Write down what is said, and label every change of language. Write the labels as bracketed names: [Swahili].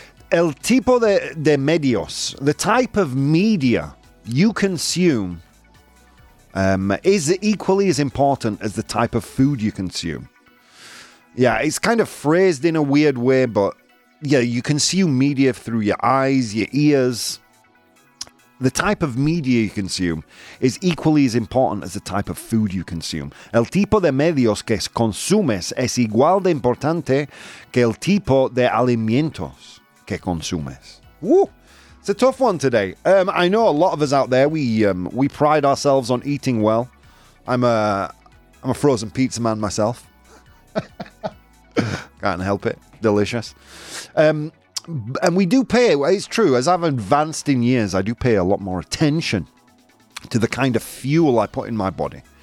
[Spanish] El tipo de medios, [English] the type of media you consume, is equally as important as the type of food you consume. Yeah, it's kind of phrased in a weird way, but yeah, you consume media through your eyes, your ears. The type of media you consume is equally as important as the type of food you consume. [Spanish] El tipo de medios que consumes es igual de importante que el tipo de alimentos que consumes. [English] Woo. It's a tough one today. I know a lot of us out there, we pride ourselves on eating well. I'm a frozen pizza man myself. Can't help it. Delicious. And we do pay, it's true, as I've advanced in years, I do pay a lot more attention to the kind of fuel I put in my body.